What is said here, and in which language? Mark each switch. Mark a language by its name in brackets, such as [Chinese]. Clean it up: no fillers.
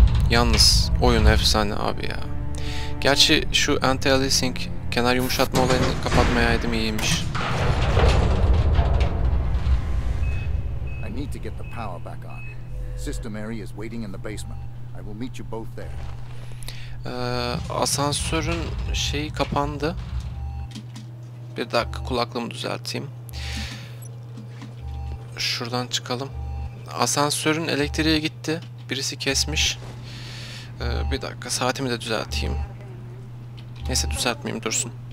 [Turkish] Yalnız oyun efsane abi ya. Gerçi şu anti-aliasing kenar yumuşatma olayını kapatmayaydım iyiymiş. [English] I need to get the power back on. System area is waiting in the basement. I will meet you both there. [Turkish] Asansörün şeyi kapandı. Bir dakika kulaklığımı düzelteyim. Şuradan çıkalım. Asansörün elektriği gitti. Birisi kesmiş. Bir dakika saatimi de düzelteyim. Neyse düzeltmeyeyim, dursun.